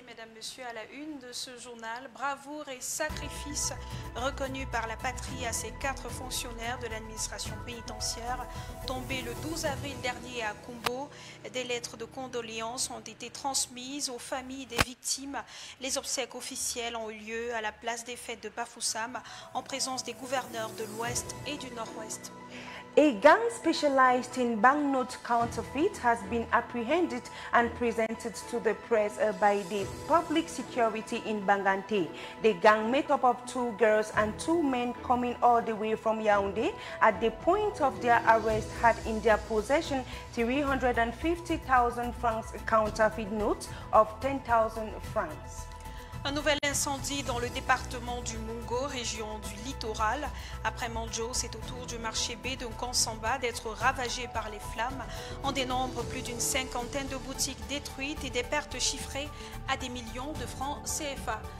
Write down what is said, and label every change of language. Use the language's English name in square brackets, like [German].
[French] Mesdames, Messieurs, à la une de ce journal, bravoure et sacrifice reconnus par la patrie à ces quatre fonctionnaires de l'administration pénitentiaire tombés le 12 avril dernier à Kumbo. Des lettres de condoléances ont été transmises aux familles des victimes. Les obsèques officielles ont eu lieu à la place des fêtes de Bafoussam en présence des gouverneurs de l'Ouest et du Nord-Ouest. [English] A gang specialized in banknote counterfeit has been apprehended and presented to the press by the public security in Bangante. The gang made up of two girls and two men coming all the way from Yaoundé at the point of their arrest had in their possession 350,000 francs counterfeit note of 10,000 francs. [French] Un nouvel incendie dans le département du Mungo, région du littoral. Après Manjo, c'est au tour du marché B de Nkonsamba d'être ravagé par les flammes. On dénombre plus d'une cinquantaine de boutiques détruites et des pertes chiffrées à des millions de francs CFA.